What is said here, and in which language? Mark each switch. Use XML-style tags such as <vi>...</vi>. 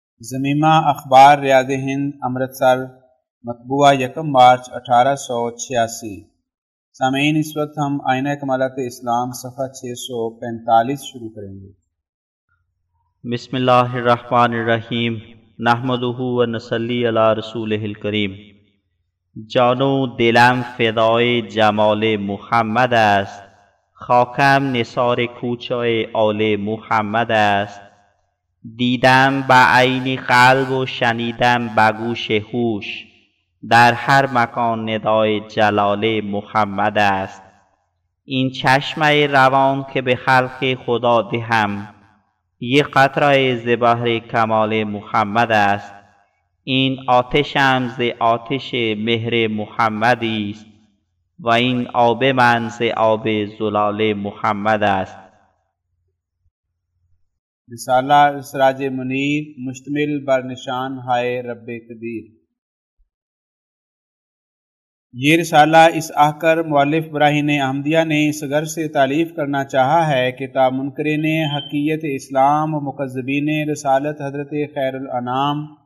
<ur>زمیمہ اخبار ریاض ہند امرتسر مطبوعہ 1 مارچ 1886۔ سامعین، اس وقت ہم آئینہ کمالات اسلام صفحہ 645 شروع کریں گے۔</ur> <ar>بسم اللہ الرحمن الرحیم، نحمدہ و نصلی علی رسولہ الکریم۔</ar> <fa>جانو دلم فدای جمال محمد است، خاکم نثار کوچای آل محمد است، دیدم به عین قلب و شنیدم به گوش هوش، در هر مکان ندای جلال محمد است. این چشمه روان که به خلق خدا دهم، یک قطره ز بحر کمال محمد است. این آتشم ز آتش مهر محمد است، و این آب من ز آب زلال محمد است.</fa> <ur>رسالہ اسراج منیر مشتمل بر نشان ہائے رب قدیر۔ یہ رسالہ اس آکر مؤلف براہین احمدیہ نے اس غرض سے تالیف کرنا چاہا ہے کہ تا منکرین حقیقت اسلام و مکذبین رسالت حضرت خیر الانام</ur>